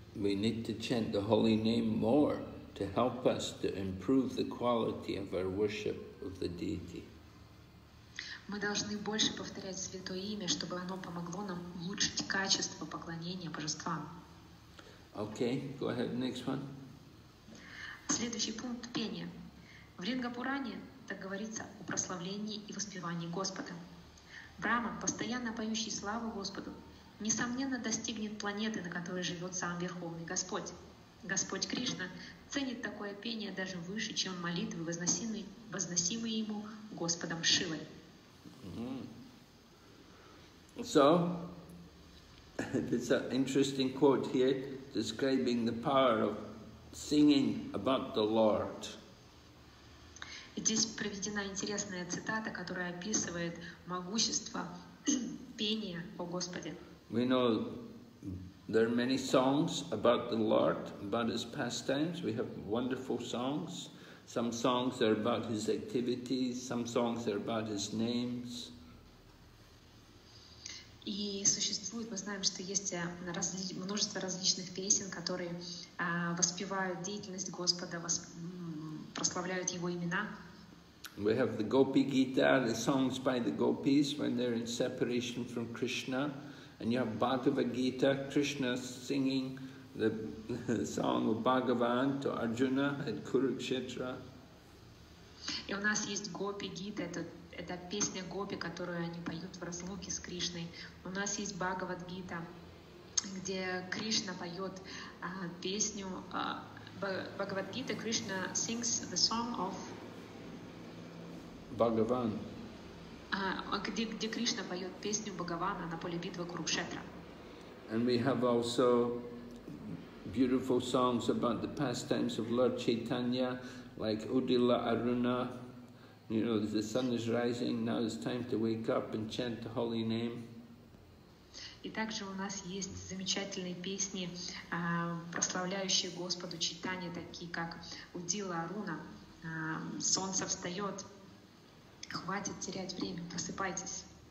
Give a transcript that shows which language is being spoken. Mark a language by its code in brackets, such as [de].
[en] We need to chant the holy name more to help us to improve the quality of our worship of the deity. [ru] Мы должны больше повторять святое имя, чтобы оно помогло нам улучшить качество поклонения божествам. [en] Okay, go ahead, next one. [ru] Следующий пункт – пение. В Рингапуране так говорится о прославлении и воспевании Господа. Брахман, постоянно поющий славу Господу, несомненно достигнет планеты, на которой живет сам Верховный Господь. Господь Кришна ценит такое пение даже выше, чем молитвы, возносимые Ему Господом Шивой. [en] So, there's an interesting quote here describing the power of singing about the Lord. [ru] Здесь приведена интересная цитата, которая описывает могущество пения о Господе. [en] We know there are many songs about the Lord, about His pastimes. We have wonderful songs. Some songs are about His activities, some songs are about His names. [ru] И существует, мы знаем, что есть множество различных песен, которые воспевают деятельность Господа, прославляют Его имена. [en] We have the Gopi Gita, the songs by the gopis when they're in separation from Krishna. And you have Bhagavad Gita, Krishna singing the song of Bhagavan to Arjuna at Kurukshetra. [ru] И у нас есть Gopi Gita, это песня гопи, которую они поют в разлуке с Кришной. У нас есть Бхагавад Гита, где Кришна поет песню. [en] Бхагавад Гита, Кришна sings the song of [ru] Бхагаван. Где Кришна поет песню Бхагавана на поле битвы Курукшетра. [en] And we have also beautiful songs about the pastimes of Lord Chaitanya, like Udila Aruna. You know, the sun is rising, now it's time to wake up and chant the holy name. [ru] И также у нас есть замечательные песни, прославляющие Господу Чайтанья, такие как Удила Аруна, солнце встает, хватит терять время, просыпайтесь.